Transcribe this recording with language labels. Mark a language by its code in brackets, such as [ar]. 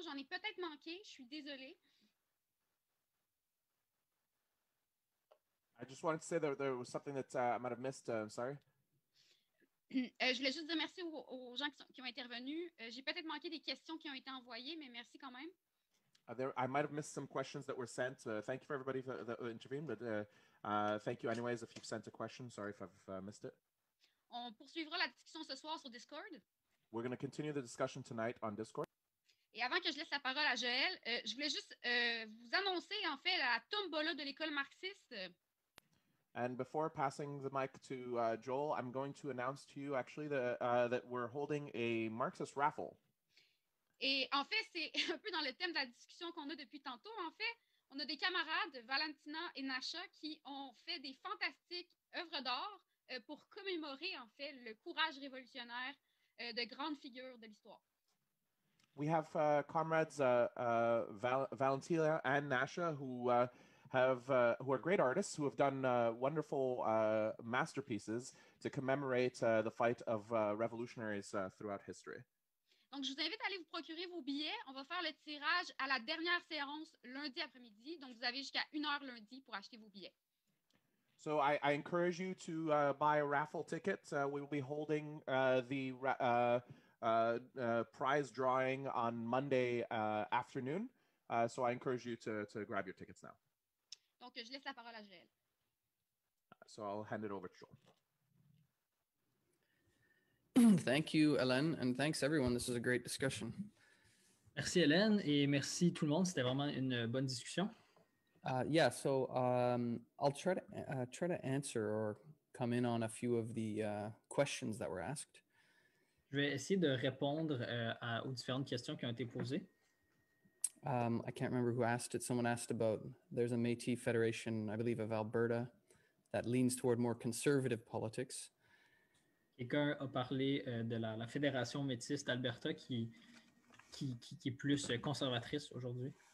[fr] J'en ai peut-être manqué, je suis désolée. [en] I just wanted to say there was something that I might have missed, I'm sorry. [fr] Je voulais juste dire merci aux gens qui ont intervenu. J'ai peut-être manqué des questions qui ont été envoyées, mais merci quand même. [en] I might have missed some questions that were sent. Thank you for everybody that intervened, but thank you anyways if you've sent a question. Sorry if I've missed it. [fr] On poursuivra la discussion ce soir sur Discord. [en] We're going to continue the discussion tonight on Discord. [fr] Et avant que je laisse la parole à Joël, je voulais juste vous annoncer en fait la tombola de l'école marxiste. [en] And before passing the mic to Joel, I'm going to announce to you actually that we're holding a Marxist raffle. [fr] Et en fait, c'est un peu dans le thème de la discussion qu'on a depuis tantôt. En fait, on a des camarades, Valentina et Nasha, qui ont fait des fantastiques œuvres d'art pour commémorer, en fait, le courage révolutionnaire de grandes figures de l'histoire. [en] We have comrades Valentina and Nasha who are great artists who have done wonderful masterpieces to commemorate the fight of revolutionaries throughout history. [fr] Donc, je vous invite à aller vous procurer vos billets. On va faire le tirage à la dernière séance lundi après-midi. Donc, vous avez jusqu'à 1h lundi pour acheter vos billets. [en] So I encourage you to buy a raffle ticket. We will be holding the prize drawing on Monday afternoon. So I encourage you to grab your tickets now. [fr] Donc, je laisse la parole à Joël. [en] So I'll hand it over to Joel. Thank you, Hélène, and thanks everyone. This is a great discussion. [fr] Merci, Hélène, et merci tout le monde. C'était vraiment une bonne discussion. [en] I'll try to answer or come in on a few of the questions that were asked. [fr] Je vais essayer de répondre aux différentes questions qui ont été posées. [en] I can't remember who asked it. Someone asked about there's a Métis Federation, I believe, of Alberta that leans toward more conservative politics. [fr] Quelqu'un a parlé de la Fédération Métis d'Alberta qui est plus conservatrice aujourd'hui.